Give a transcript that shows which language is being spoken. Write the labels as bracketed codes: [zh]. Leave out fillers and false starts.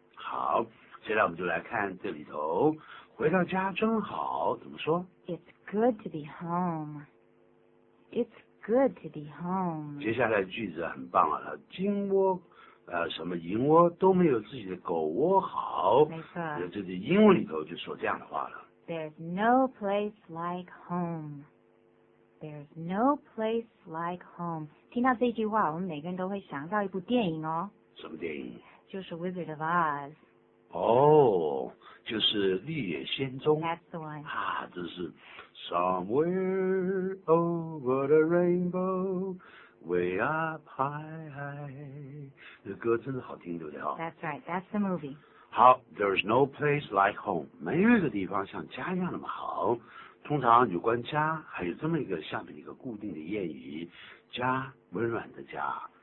[zh] 好，现在我们就来看这里头，回到家真好，怎么说 [en] ？It's good to be home. It's good to be home. [zh] 接下来句子很棒啊，金窝，什么银窝都没有自己的狗窝好。没错。这是英文里头就说这样的话了。 [en] There's no place like home. There's no place like home. [zh] 听到这句话，我们每个人都会想到一部电影哦。什么电影？就是《Wizard of Oz》。哦，就是《绿野仙踪》。 [en] That's the one. [zh] 啊，这是 [en] Somewhere over the rainbow, way up high. [zh] 这歌真的好听，对不对？ [en] That's right. That's the movie. 好 ，There's no place like home. [zh] 没有一个地方像家一样那么好。通常有关家还有这么一个下面一个固定的谚语，家温暖的家